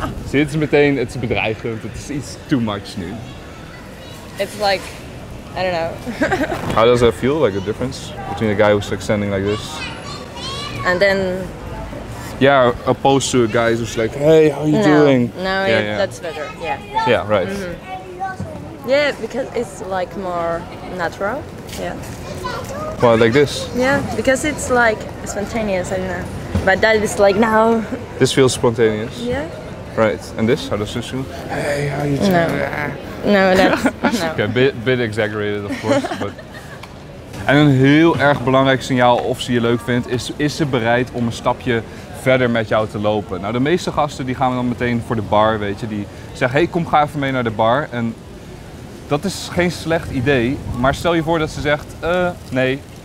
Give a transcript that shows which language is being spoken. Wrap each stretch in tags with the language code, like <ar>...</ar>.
<nl>Zit ze meteen, het is bedreigend, het is iets</nl> <en>too much</en> <nl>nu.</nl> <en>It's like, I don't know. How does that feel, like the difference between a guy who's like standing like this? And then... Yeah, opposed to a guy who's like, hey, how are you doing? No, yeah. That's better, yeah. Yeah, right. Mm-hmm. Yeah, because it's like more natural, yeah. Well, like this? Yeah, because it's like spontaneous, I don't know. But that is like now. This feels spontaneous? Yeah. Right, and this? How does this feel? Hey, how are you doing? No. No, that's... Okay, bit exaggerated, of course. But...</en> <nl>En een heel erg belangrijk signaal of ze je leuk vindt, is ze bereid om een stapje verder met jou te lopen. Nou, de meeste gasten die gaan dan meteen voor de bar, weet je. Die zeggen, hey, kom, ga even mee naar de bar. En dat is geen slecht idee, maar stel je voor dat ze zegt, nee.</nl>